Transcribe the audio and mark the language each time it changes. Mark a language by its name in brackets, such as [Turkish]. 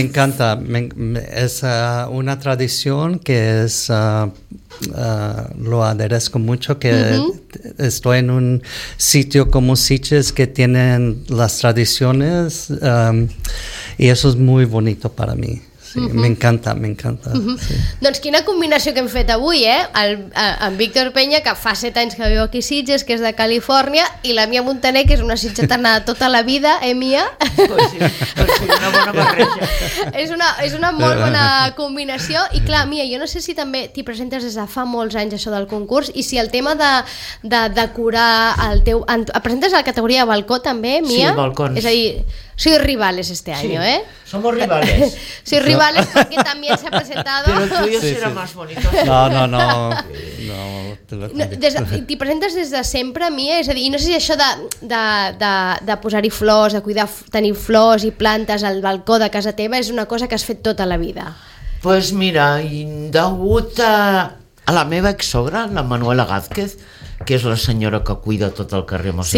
[Spanish] Me encanta, es una tradición que es lo agradezco mucho que estoy en un sitio como Sitges que tienen las tradiciones y eso es muy bonito para mí. [Catalan] M'encanta, m'encanta. Doncs quina combinació que hem fet avui, amb Víctor Peña, que fa 7 anys que viu aquí a Sitges, que és de Califòrnia, i la Mia Montaner, que és una sitgetana de tota la vida, Mia? Pues sí, una bona barreja. És una molt bona combinació, i clar, Mia, jo no sé si també t'hi presentes des de fa molts anys això del concurs, i si el tema de decorar el teu... Et presentes a la categoria de balcó també, Mia? Sí, balcons. És a dir... [Spanish] Sois rivales este año, sí, ¿eh? Somos rivales. Sois rivales porque también se ha presentado. Pero el tuyo será más bonito. No. [Catalan] T'hi presentes des de sempre, Mia? És a dir, no sé si això de posar-hi flors, de cuidar, tenir flors i plantes al balcó de casa teva és una cosa que has fet tota la vida. [Spanish] Pues mira, [Catalan] degut a la meva exsogra, la Manuela Gázquez, que és la senyora que cuida tot el carrer Mossèn